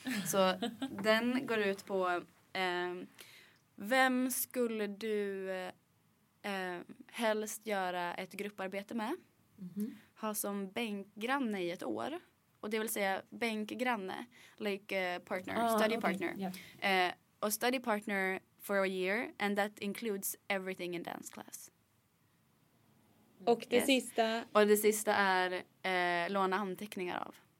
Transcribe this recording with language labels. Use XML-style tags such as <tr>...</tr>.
<sv>Så den går ut på, vem skulle du helst göra ett grupparbete med? Mm-hmm. Ha som bänkgranne i ett år. Och det vill säga bänkgranne.</sv> <en>Like partner. Study partner. Yeah. Och study partner for a year. And that includes everything in dance class.</en> <sv>Och det sista. Och det sista är låna anteckningar av.</sv>